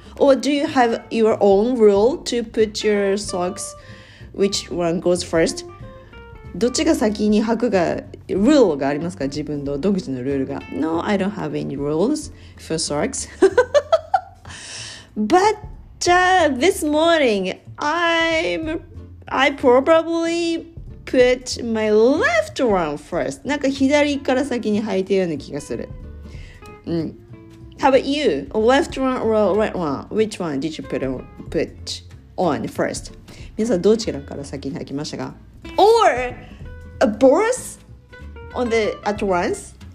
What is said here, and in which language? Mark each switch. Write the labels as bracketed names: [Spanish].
[English] Or do you have your own rule to put your socks which one goes first? [Japanese] どっちが先に履くか、rule がありますか、自分の独自のルールが。 [English] No, I don't have any rules for socks. But、this morning, I probably put my left one first. [Japanese] なんか左から先に履いてるような気がする。 [English] How about you? Left one or right one? Which one did you put on first? [Japanese] 皆さんどちらから先に履きましたか? [English] Or a boss? On the at once?